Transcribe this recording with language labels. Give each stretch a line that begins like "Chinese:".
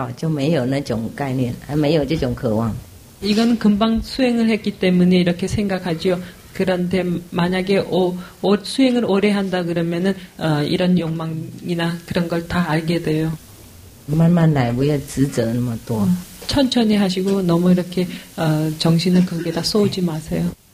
Chinese: 他因为刚刚修行还不感觉到，也许还没感觉到很清楚自己解脱。修行久了以后就知道，就没有那种概念，还没有这种渴望。
Korean: 이건 금방 수행을 했기 때문에 이렇게 생각하죠. 그런데 만약에 수행을 오래 한다 그러면은 이런 욕망이나 그런 걸 다 알게 돼요.
Chinese: 慢慢来，不要执着那么多。
Korean: 천천히 하시고 너무 이렇게 정신을 거기에다 쏘지 마세요.